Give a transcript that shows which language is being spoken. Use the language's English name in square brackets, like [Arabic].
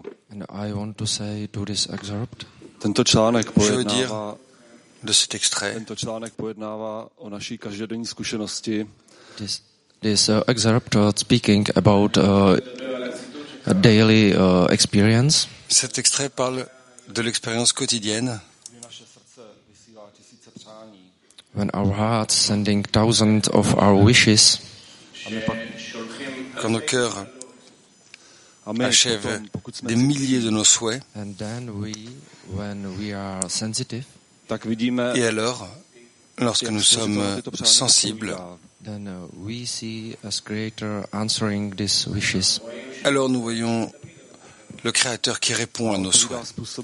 [English] And I want to say to this excerpt. [Czech] Tento článek pojednává. Tento článek pojednává o naší každodenní zkušenosti. [English] This excerpt speaking about daily experience. [French] Cet extrait parle de l'expérience quotidienne. [English] When our hearts sending thousands of our wishes, [French] quand nos cœurs achèvent des milliers de nos souhaits, [English] and then we, when we are sensitive, [Czech] tak vidíme, [French] et alors, lorsque nous sommes sensibles, [English] then we see as Creator answering these wishes. [French] Alors nous voyons le Créateur qui répond à nos souhaits.